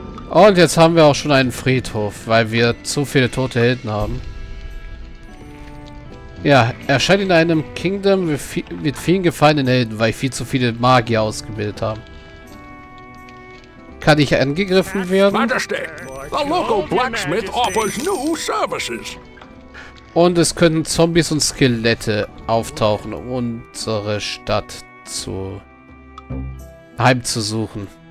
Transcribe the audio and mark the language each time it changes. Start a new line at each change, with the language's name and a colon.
German: Und jetzt haben wir auch schon einen Friedhof, weil wir zu viele tote Helden haben. Ja, erscheint in einem Kingdom mit vielen gefallenen Helden, weil ich viel zu viele Magier ausgebildet habe. Kann ich angegriffen werden?
English: The local blacksmith offers new services.
German: Und es könnten Zombies und Skelette auftauchen, um unsere Stadt zu heimzusuchen.